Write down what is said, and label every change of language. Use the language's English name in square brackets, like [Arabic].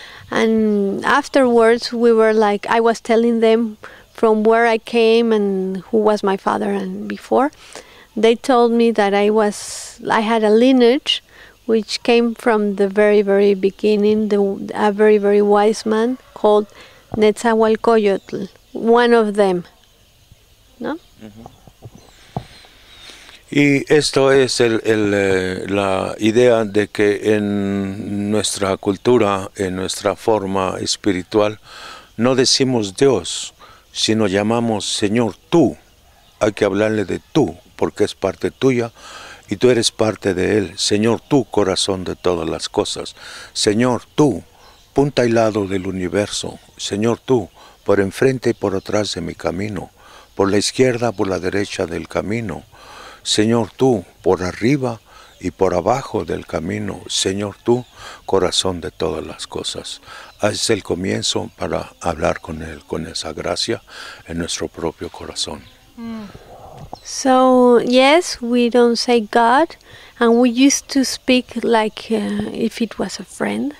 [English] And afterwards we were like, I was telling them from where I came and who was my father, and before they told me that I had a lineage which came from the very very beginning, a very very wise man called Nezahualcóyotl, one of them. Uh-huh. [Spanish] Y esto es la idea de que en nuestra cultura, en nuestra forma espiritual, no decimos Dios, sino llamamos Señor tú. Hay que hablarle de tú, porque es parte tuya y tú eres parte de él. Señor tú, corazón de todas las cosas. Señor tú, punta y lado del universo. Señor tú, por enfrente y por atrás de mi camino. Por la izquierda, por la derecha del camino. Señor tú, por arriba y por abajo del camino. Señor tú, corazón de todas las cosas. Es el comienzo para hablar con él, con esa gracia en nuestro propio corazón. Mm. [English] So, yes, we don't say God, and we used to speak like if it was a friend.